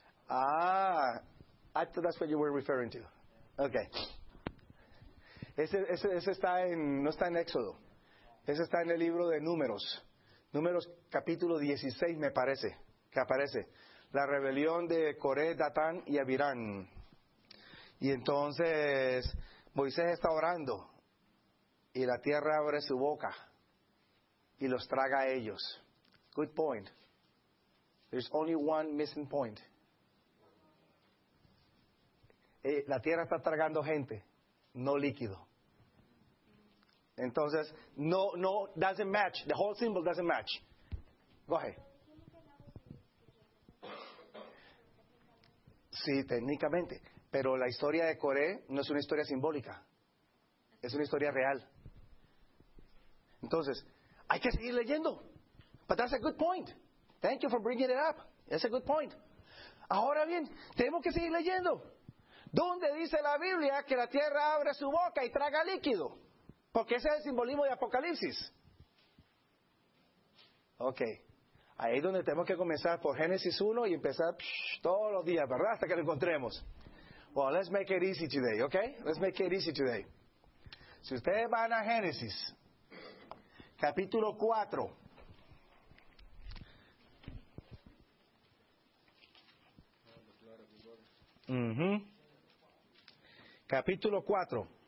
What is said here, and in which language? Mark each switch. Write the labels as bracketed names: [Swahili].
[English] I thought that's what you were referring to. Okay. [Spanish] Ese está en, no está en Éxodo. Ese está en el libro de Números. Números capítulo 16, me parece, que aparece. La rebelión de Coré, Datán y Abirán. Y entonces, Moisés está orando. Y la tierra abre su boca. Y los traga a ellos. [English] Good point. There's only one missing point. [Spanish] La tierra está tragando gente, no líquido. Entonces, no, [English] doesn't match. The whole symbol doesn't match. Go ahead. [Spanish] Sí, técnicamente. Pero la historia de Coré no es una historia simbólica. Es una historia real. Entonces, hay que seguir leyendo. [English] But that's a good point. Thank you for bringing it up. That's a good point. [Spanish] Ahora bien, tenemos que seguir leyendo. ¿Dónde dice la Biblia que la tierra abre su boca y traga líquido? Porque ese es el simbolismo de Apocalipsis. Ok. Ahí es donde tenemos que comenzar por Génesis 1 y empezar todos los días, ¿verdad? Hasta que lo encontremos. [English] Well, let's make it easy today, ok? Let's make it easy today. [Spanish] Si ustedes van a Génesis, capítulo 4. Capítulo 4.